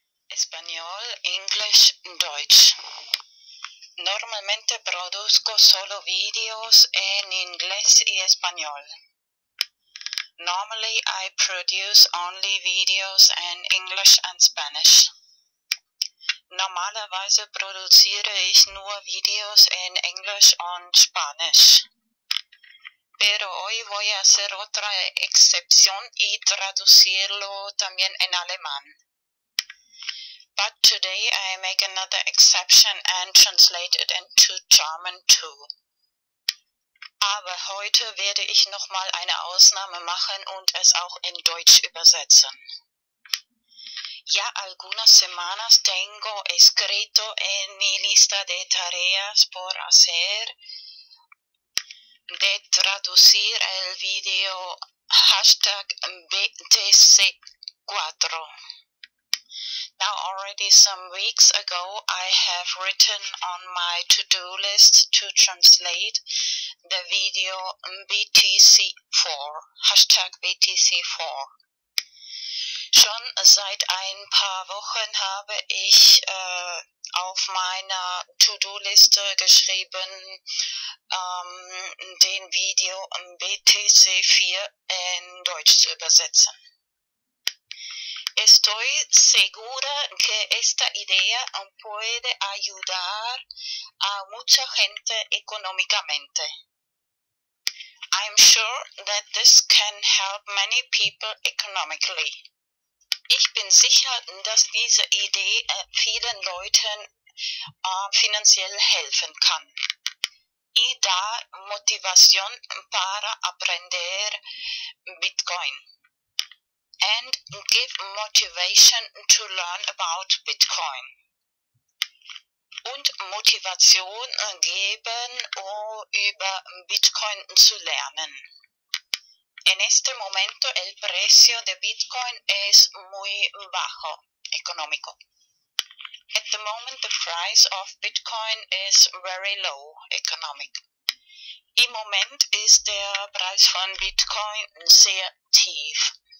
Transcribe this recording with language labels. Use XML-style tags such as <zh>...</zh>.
<es>español, English, Deutsch. Normalmente produzco solo videos en inglés y español.</es> <en>Normally I produce only videos in English and Spanish.</en> <de>Normalerweise produziere ich nur videos in English und Spanisch.</de> <es>Pero hoy voy a hacer otra excepción y traducirlo también en alemán.</es> <en>But today I make another exception and translate it into German too.</en> <de>Aber heute werde ich nochmal eine Ausnahme machen und es auch in Deutsch übersetzen.</de> <es>Ya algunas semanas tengo escrito en mi lista de tareas por hacer de traducir el video hashtag BTC4.</es> <en>Now already some weeks ago I have written on my to-do list to translate the video BTC4, hashtag BTC4.</en> <de>Schon seit ein paar Wochen habe ich auf meiner To-Do-Liste geschrieben, den Video BTC4 in Deutsch zu übersetzen.</de> <es>Estoy segura que esta idea puede ayudar a mucha gente económicamente.</es> <en>I'm sure that this can help many people economically.</en> <de>Ich bin sicher, dass diese Idee vielen Leuten finanziell helfen kann.</de> <es>Y da motivación para aprender Bitcoin.</es> <en>And give motivation to learn about Bitcoin.</en> <de>Und Motivation geben, über Bitcoin zu lernen.</de> <es>En este momento el precio de Bitcoin es muy bajo, económico.</es> <en>At the moment the price of Bitcoin is very low, economic.</en> <de>Im Moment ist der Preis von Bitcoin sehr tief.</de>